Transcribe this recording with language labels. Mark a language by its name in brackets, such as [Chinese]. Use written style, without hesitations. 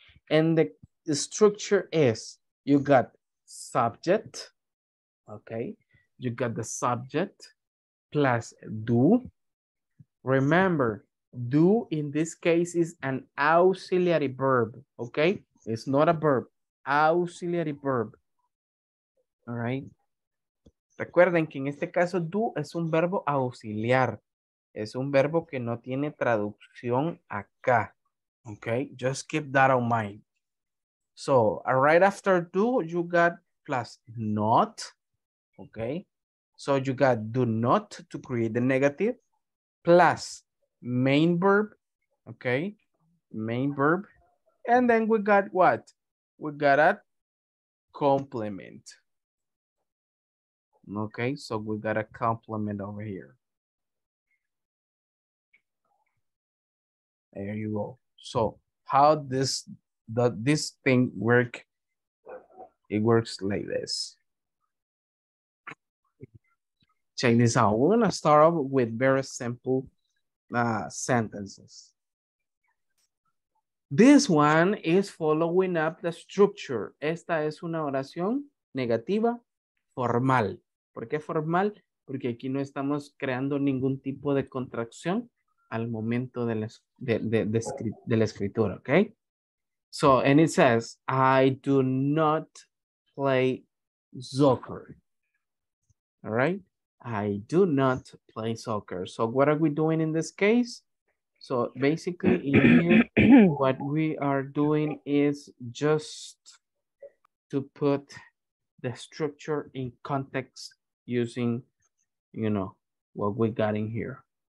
[English] And the structure is, you got subject, okay? You got the subject plus do. Remember, do in this case is an auxiliary verb, okay? It's not a verb, auxiliary verb, all right? [Spanish] Recuerden que en este caso do es un verbo auxiliar. Es un verbo que no tiene traducción acá, okay? [English] Just keep that in mind. So right after do, you got plus not, okay? So you got do not to create the negative plus main verb, okay? Main verb. And then we got what? We got a complement. Okay, so we got a complement over here. There you go. So how does this thing work? It works like this. Check this out. We're gonna start off with very simple sentences. This one is following up the structure. [Spanish] Esta es una oración negativa formal. ¿Por qué formal? Porque aquí no estamos creando ningún tipo de contracción al momento de la escritura, ¿ok? [English] So, and it says, I do not play soccer, all right? I do not play soccer. So what are we doing in this case? So basically in here, what we are doing is just to put the structure in context using, you know, what we got in here.